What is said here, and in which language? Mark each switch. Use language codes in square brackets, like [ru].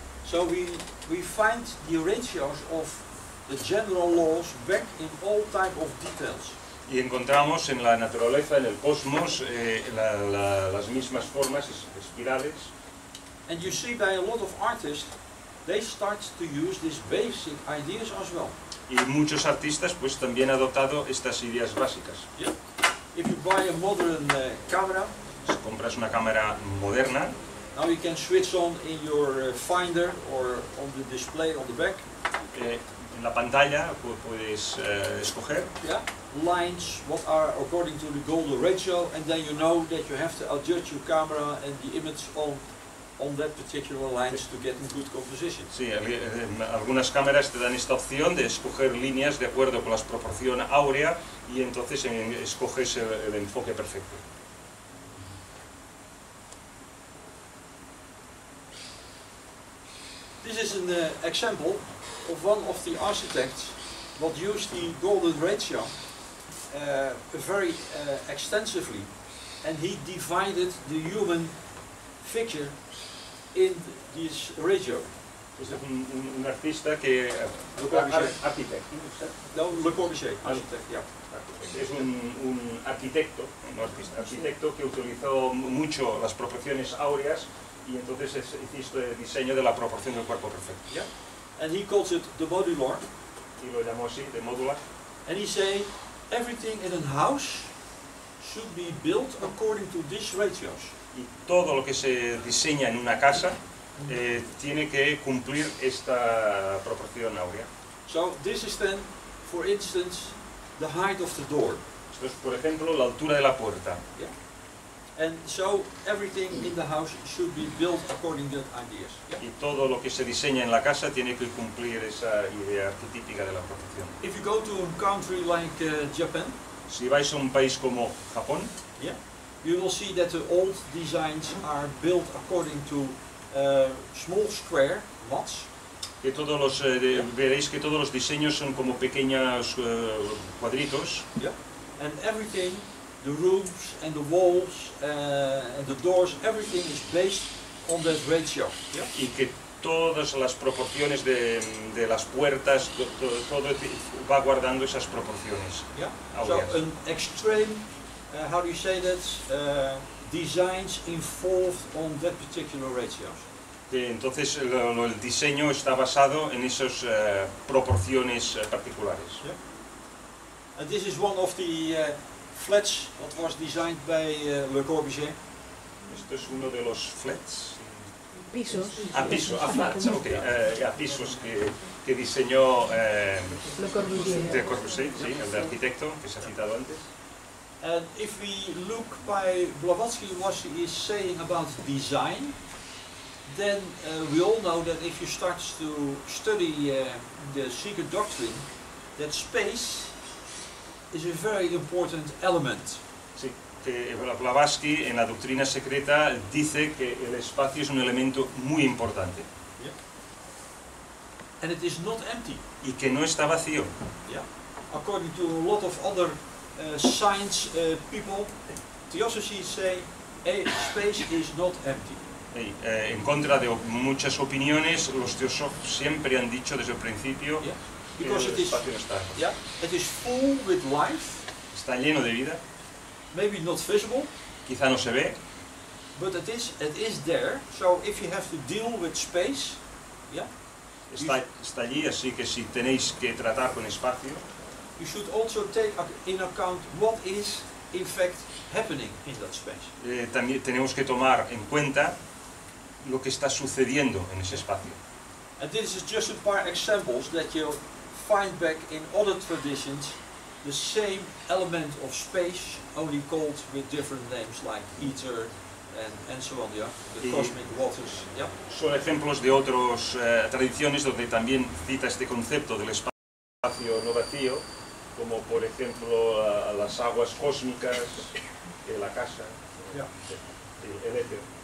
[en] So we find the ratios of the general laws back in all type of details. [es] Y encontramos en la naturaleza, en el cosmos, las mismas formas, espirales. [en] And you see by a lot of artists, they start to use these basic ideas as well. [es] Y muchos artistas pues también han adoptado estas ideas básicas. [en] Yeah. If you buy a modern camera, [es] si compras una cámara moderna, [en] now you can switch on in your finder or on the display on the back. [es] En la pantalla puedes escoger. [en] Yeah. Lines what are according to the golden ratio, and then you know that you have to adjust your camera and the image on that particular lines to get a good composition. [es] Sí, algunas cámaras te dan esta opción de escoger líneas de acuerdo con la proporción áurea y entonces escoges el enfoque perfecto. [en] This is an example of one of the architects that used the golden ratio very extensively, and he divided the human figure in this ratio. Is it an artist that Le Corbusier, architect? No, Le Corbusier, architect. Yeah. [es] Es un arquitecto, un artista, arquitecto que utilizó mucho las proporciones áureas y entonces hizo el diseño de la proporción del cuerpo perfecto. [en] Yeah. And he calls it the modular. [es] Y lo llamó así, [en] the modular. And he say everything in a house should be built according to these ratios. [es] Y todo lo que se diseña en una casa tiene que cumplir esta proporción áurea. [en] So this is then, for instance, the height of the door. [es] Esto es, por ejemplo, la altura de la puerta. [en] Yeah. And so everything in the house should be built according to that ideas. Yeah. [es] Y todo lo que se diseña en la casa tiene que cumplir esa idea arquetípica de la proporción. [en] If you go to a country like Japan, [es] si vais a un país como Japón, [en] yeah, you will see that the old designs are built according to small square mats. [es] Que todos los veréis que todos los diseños son como pequeños cuadritos. [en] Yeah. And everything, the roofs and the walls and the doors, everything is based on that ratio. Yeah. [es] Y que todas las proporciones de las puertas, todo va guardando esas proporciones. [en] Yeah. So an extreme. How do you say that? Designs involved on that particular ratios. [es] Entonces el diseño está basado en esas proporciones particulares. [en] Yeah. And this is one of the flats that was designed by Le Corbusier. [es] Esto es uno de los flats. Pisos. Ah, piso, [en] a flats, okay. [es] A pisos que diseñó Le Corbusier, sí, el arquitecto que se ha citado antes. [en] And if we look by Blavatsky, what he is saying about design, then we all know that if you start to study the secret doctrine, that space is a very important element. [es] Sí, que Blavatsky en la doctrina secreta dice que el espacio es un elemento muy importante. [en] Yeah. And it is not empty. [es] Y que no está vacío. [en] Yeah. According to a lot of other science people, theosophy say space is not empty. [es] Hey, en contra de muchas opiniones, los teosofos siempre han dicho desde el principio que el espacio está. [en] Yeah, it is full with life. [es] Está lleno de vida. [en] Maybe not visible. [es] Quizá no se ve. [en] But it is there. So if you have to deal with space, yeah, [es] está allí. Así que si tenéis que tratar con espacio, [en] you should also take in account what is in fact happening in that space. [es] También tenemos que tomar en cuenta lo que está sucediendo en ese espacio. [en] And this is just a par examples that you find back in other traditions, the same element of space, only called with different names like ether and so on, yeah, the cosmic waters. Yeah. [es] Son ejemplos de otras tradiciones donde también cita este concepto del espacio no vacío, como por ejemplo las aguas cósmicas, la casa, el éter.